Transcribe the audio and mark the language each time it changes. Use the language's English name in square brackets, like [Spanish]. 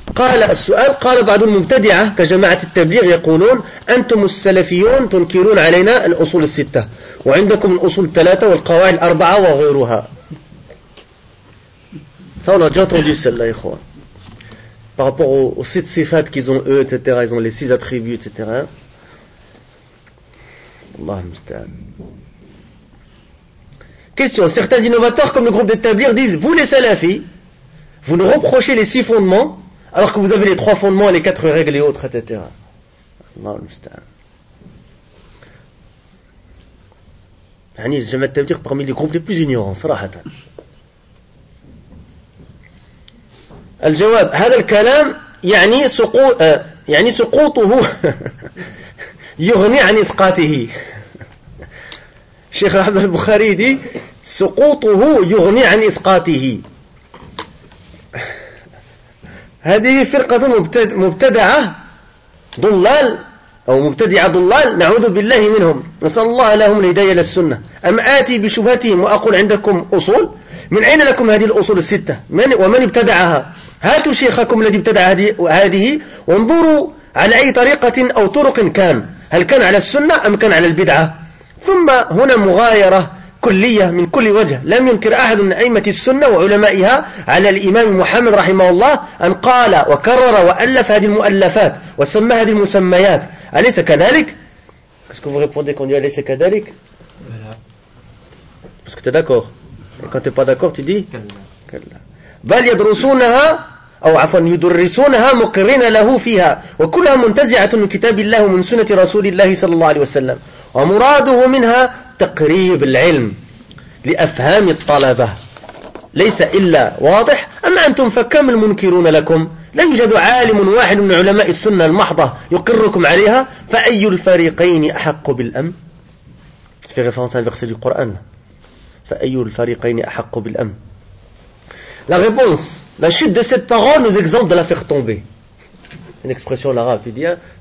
[Arabic] قال السؤال قال بعض المبتدعة كجماعة التبليغ يقولون أنتم السلفيون تنكرون علينا الأصول الستة وعندكم الأصول الثلاثة والقواعد الأربعة وغيرها. [French] Ça on a déjà entendu celle-là, je crois. Par rapport aux six sifat qu'ils ont eux, etc. Ils ont les six attributs, etc. [Arabic] Allah musta'an. [French] Question. Certains innovateurs comme le groupe des Tablir disent, vous les salafis, vous nous reprochez les six fondements alors que vous avez les trois fondements, les quatre règles et autres, etc. [Arabic] Allah musta'an. [French] Yani, je vais te dire parmi les groupes les plus ignorants, sarahatan. [Arabic] الجواب هذا الكلام يعني سقوط يعني سقوطه يغني عن إسقاطه شيخ أحمد البخاري دي سقوطه يغني عن إسقاطه هذه فرقة مبتدعة ضلال أو مبتدعة ضلال نعوذ بالله منهم نسأل الله لهم الهداية للسنة أم آتي بشبهتهم وأقول عندكم أصول من أين لكم هذه الأصول الستة من ومن ابتدعها هاتوا شيخكم الذي ابتدع هذه وانظروا على أي طريقة أو طرق كان هل كان على السنة أم كان على البدعة ثم هنا مغايرة كلية من كل وجه لم ينكر أحد من أئمة السنة وعلمائها على الإمام محمد رحمه الله أن قال وكرر وألف هذه المؤلفات وسمى هذه المسميات أليس كذلك؟ [French] Est-ce que vous répondez qu'on dit [Arabic] أليس كذلك؟ [French] Parce que t'es d'accord. Et quand t'es pas d'accord, tu dis كلا. [Arabic] بل يدرسونها أو عفوا يدرسونها مقرين له فيها وكلها منتزعة من كتاب الله ومن سنة رسول الله صلى الله عليه وسلم ومراده منها تقريب العلم لأفهام الطلبة ليس إلا واضح أما أنتم فكم المنكرون لكم لا يوجد عالم واحد من علماء السنة المحضة يقركم عليها فأي الفريقين أحق بالأمن في غفان سنة بخصة القرآن فأي الفريقين أحق بالأمن. [French] La réponse, la chute de cette parole nous exempte de la faire tomber. Une expression en arabe, tu dis, hein?